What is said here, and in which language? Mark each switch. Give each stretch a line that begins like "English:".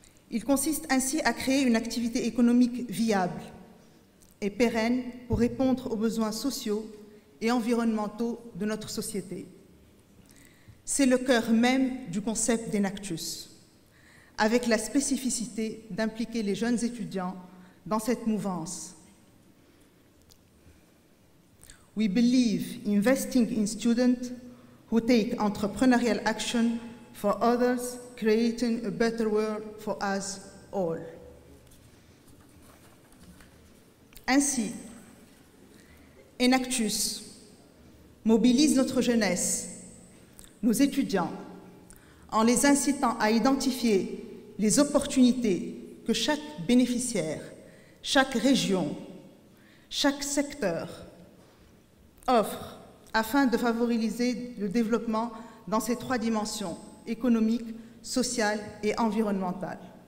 French: Il consiste ainsi à créer une activité économique viable et pérenne pour répondre aux besoins sociaux et environnementaux de notre société. C'est le cœur même du concept d'Enactus, avec la spécificité d'impliquer les jeunes étudiants dans cette mouvance.
English: We believe investing in students who take entrepreneurial action for others, creating a better world for us all.
French: Ainsi, Enactus mobilise notre jeunesse, nos étudiants, en les incitant à identifier les opportunités que chaque bénéficiaire, chaque région, chaque secteur offre afin de favoriser le développement dans ces trois dimensions, économique, sociale et environnementale.